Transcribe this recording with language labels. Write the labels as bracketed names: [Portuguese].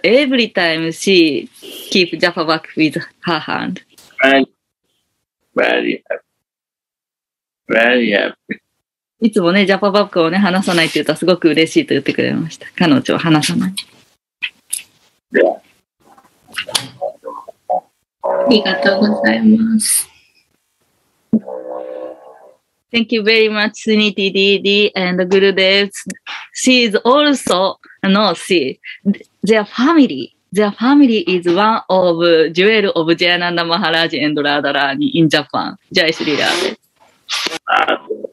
[English] Every time she keeps Japa back with her hand. Very, very happy. Very happy. [Japanese] いつもね、ジャパバックをね、話さないって言ったらすごく嬉しいと言ってくれました。彼女は話さない。ありがとうございます。 [English] Thank you very much, Suniti Didi and Gurudev. She is also, no, see, their family is one of jewel of Jayananda Maharaj and Radha Rani in Japan. Jai Shri Radha.